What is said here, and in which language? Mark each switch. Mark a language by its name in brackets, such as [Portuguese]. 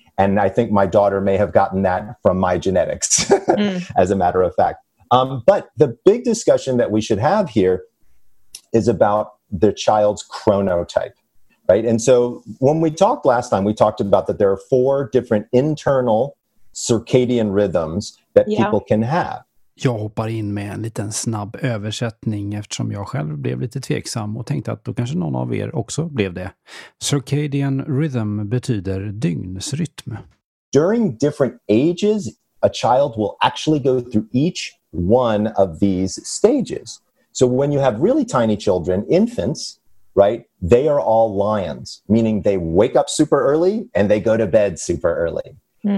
[English] And I think my daughter may have gotten that from my genetics, as a matter of fact. But the big discussion that we should have here is about the child's chronotype. Right. And so when we talked last time, we talked about that there are four different internal circadian rhythms that people can have. [Swedish] Jag hoppar in med en liten snabb översättning eftersom jag själv blev lite tveksam och tänkte att då kanske någon av er också blev det. Circadian rhythm betyder dygnsrytm. [English] During different ages, a child will actually go through each one of these stages. So when you have really tiny children, infants, right? They are all lions, meaning they wake up super early and they go to bed super early. Mm.